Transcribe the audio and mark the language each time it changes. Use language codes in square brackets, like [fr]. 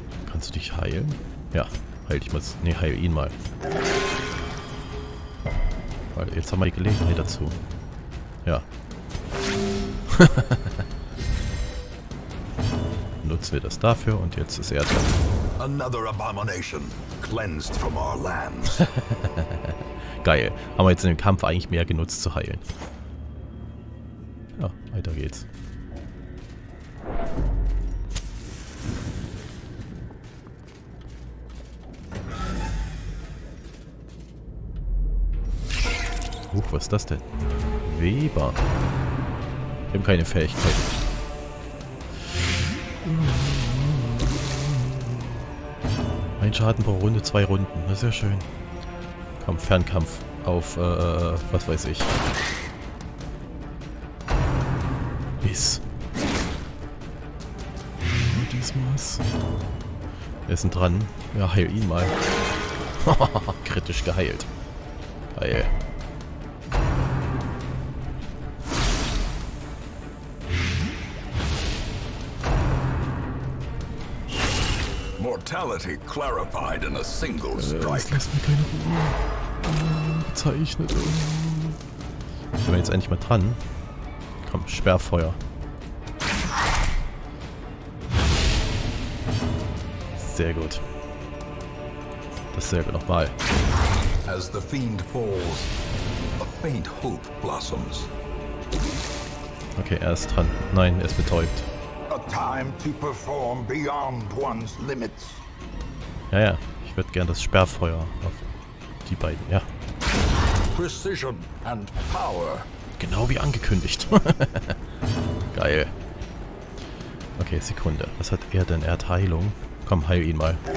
[de] Kannst du dich heilen? Ja, heil dich mal. Ne, heil ihn mal. Weil jetzt haben wir die Gelegenheit dazu. Ja. Nutzen wir das dafür und jetzt ist er dran. [en] Another abomination cleansed from our land. [de] Geil. Haben wir jetzt in dem Kampf eigentlich mehr genutzt zu heilen. Ja, weiter geht's. Huch, was ist das denn? Weber. Wir haben keine Fähigkeit. Ein Schaden pro Runde, zwei Runden. Das ist ja schön. Komm, Fernkampf auf, was weiß ich. Biss. Nur diesmal. Wir sind dran. Ja, heil ihn mal. Kritisch geheilt. Geil. [en] Mortality clarified in a single strike. [de] Das lässt mir keine Ruhe. Bezeichnet. Sind wir jetzt endlich mal dran? Komm, Sperrfeuer. Sehr gut. Dasselbe nochmal. [en] As the fiend falls, a faint hope blossoms. [de] Okay, er ist dran. Nein, er ist betäubt. [en] A time to perform beyond one's limits. [de] Ja, ja, ich würde gern das Sperrfeuer auf die beiden, ja. [en] Precision and power. [de] Genau wie angekündigt. Geil. Okay, Sekunde. Was hat er denn? Er hat Heilung. Komm, heil ihn mal.